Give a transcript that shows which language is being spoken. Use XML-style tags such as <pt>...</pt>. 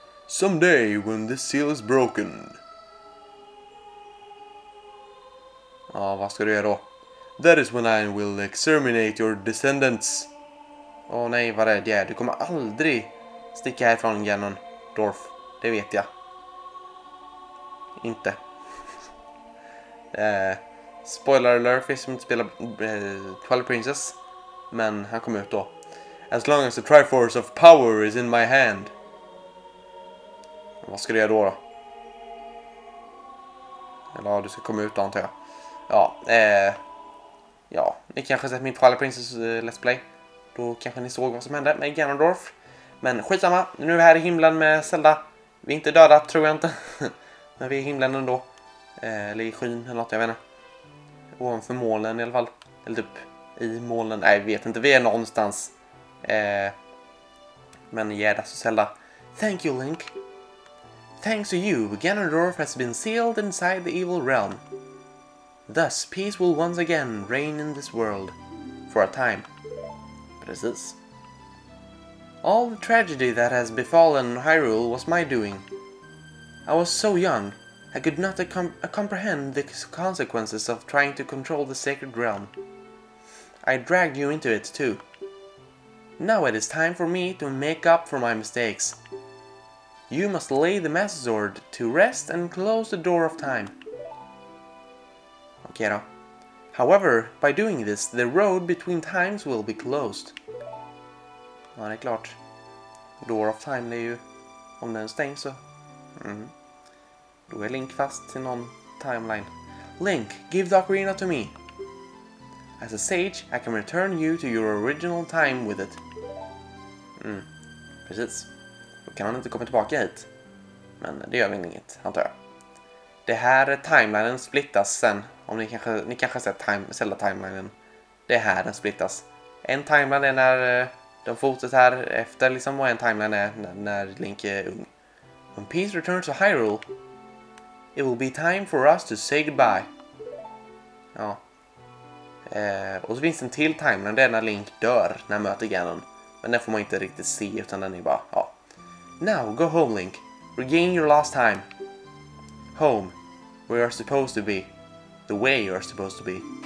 <en>Someday when the seal is broken.</en> <sv>Ja, vad ska du göra då?</sv> <en>That is when I will exterminate your descendants.</en> <sv>Åh nej, vad rädd jag är. Du kommer aldrig sticka härifrån, Ganondorf. Det vet jag. Inte. spoiler alert, finns som inte spelar Twilight Princess. Men han kommer ut då.</sv> <en>As long as the Triforce of Power is in my hand.</en> <sv>Vad ska du göra då? Eller ja, du ska komma ut då, antar jag. Ja, ja, ni kanske sett min Twilight Princess Let's Play. Då kanske ni såg vad som hände med Ganondorf. Men skitsamma, nu är vi här i himlen med Zelda. Vi är inte döda, tror jag inte. Men vi är i himlen ändå. Eller i skyn eller något, jag vet inte. Ovanför molnen i alla fall. Eller typ I molnen, nej vet inte, vi är någonstans. Men jädra så sällan.</sv> <en>Thank you, Link. Thanks to you, Ganondorf has been sealed inside the evil realm. Thus, peace will once again reign in this world. For a time.</en> <sv>Precis.</sv> <en>All the tragedy that has befallen Hyrule was my doing. I was so young, I could not comprehend the consequences of trying to control the sacred realm. I dragged you into it too. Now it is time for me to make up for my mistakes. You must lay the Master Sword to rest and close the door of time. Okay, no. However, by doing this, the road between times will be closed.</en> <sv>Ja, det är klart. Door of time, det är ju... Om den stängs så... Mm. Då är Link fast till någon timeline.</sv> <en>Link, give the Ocarina to me. As a sage, I can return you to your original time with it.</en> <sv>Mm. Precis. Då kan han inte komma tillbaka hit. Men det gör väl inget, antar jag. Det här timelinen splittas sen. Om ni kanske sett Zelda-timelinen. Det här den splittas. En timeline är när... De fortsätter här efter liksom vad en timeline är när Link är ung.</sv> <en>When peace returns to Hyrule, it will be time for us to say goodbye. Ja.</en> <sv>Och så finns det en till timeline, det är när Link dör när han möter Ganon. Men den får man inte riktigt se utan den är bara, ja.</sv> <en>Now, go home Link. Regain your lost time. Home, where you're supposed to be. The way you're supposed to be.</en>